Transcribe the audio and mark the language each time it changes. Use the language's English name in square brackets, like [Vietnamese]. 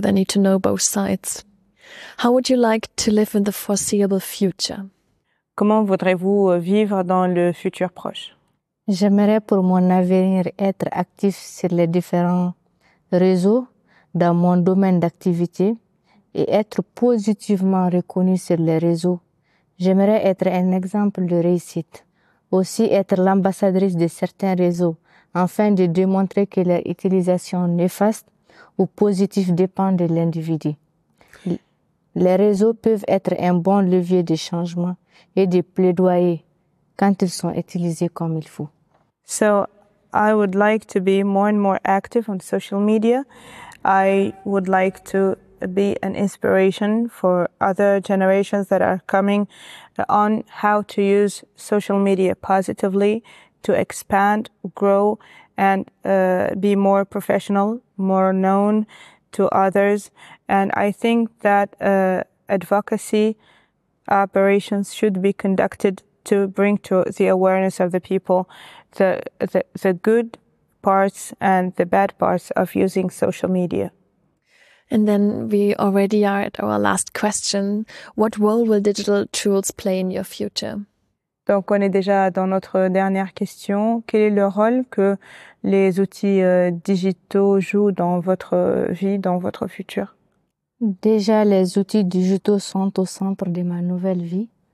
[English] They need to know both sides. How would you like to live in the foreseeable future? [French] Comment voudrez-vous vivre dans le futur proche? J'aimerais pour mon avenir être actif sur les différents réseaux dans mon domaine d'activité et être positivement reconnu sur les réseaux. J'aimerais être un exemple de réussite, aussi être l'ambassadrice de certains réseaux afin de démontrer que leur utilisation néfaste ou positive dépend de l'individu. Les réseaux peuvent être un bon levier de changement et de plaidoyer quand ils sont utilisés comme il faut. [English] So, I would like to be more and more active on social media. I would like to be an inspiration for other generations that are coming on how to use social media positively to expand, grow and be more professional, more known to others. And I think that advocacy operations should be conducted to bring to the awareness of the people the good parts and the bad parts of using social media. And then we already are at our last question. What role will digital tools play in your future? [French] Donc on est déjà dans notre dernière question. Quel est le rôle que les outils digitaux jouent dans votre vie, dans votre futur? Déjà, les outils digitaux sont au centre de ma nouvelle vie.